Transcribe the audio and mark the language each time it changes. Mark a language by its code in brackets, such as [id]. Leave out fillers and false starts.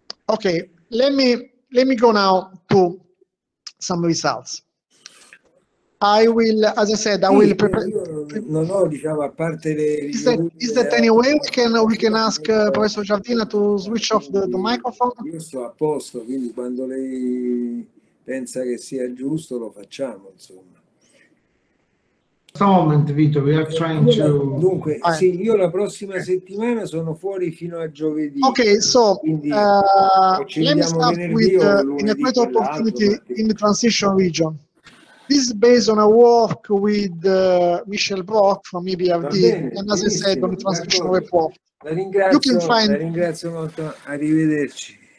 [en] Okay, let me go now to some results. I will prepare. [it] Diciamo, a parte le... [en] Is that any way we can ask Professor Giardina to switch off the microphone? [it] Io sto a posto, quindi quando lei pensa che sia giusto lo facciamo, insomma. [en] Some moment, Vito, we are trying to... [it] Dunque, sì, io la prossima settimana sono fuori fino a giovedì. [en] Okay, so, let me start with inequality opportunity in the transition region. This is based on a work with Michel Brock from EBRD, and as I said, on the transition report. [it] La ringrazio, la ringrazio molto, arrivederci.